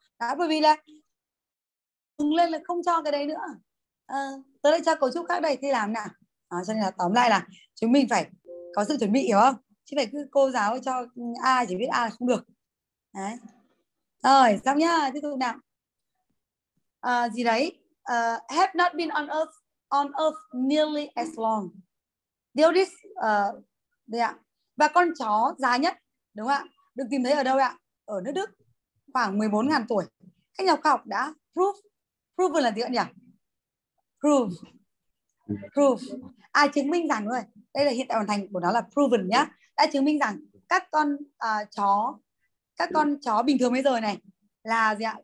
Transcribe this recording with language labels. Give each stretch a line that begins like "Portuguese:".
Vietnamese: Đó, bởi vì là đứng lên là không cho cái đấy nữa. Tớ lại cho cấu trúc khác đây thì làm nào. Cho nên là tóm lại là chúng mình phải có sự chuẩn bị, hiểu không? Chứ phải cứ cô giáo cho A chỉ biết A là không được. Đấy. Rồi, xong nhá, tiếp tục nào. Gì đấy?
English: Have not been on earth nearly as long.
Vietnamese: Điều this đây ạ. Và con chó dài nhất, đúng không ạ? Được tìm thấy ở đâu ạ? Ở nước Đức. Khoảng 14.000 tuổi. Các nhà khoa học đã prove là gì ạ nhỉ? Prove. À, chứng minh rằng thôi. Đây là hiện tại hoàn thành của nó là proven nhá. Đã chứng minh rằng các con chó bình thường bây giờ này là gì ạ?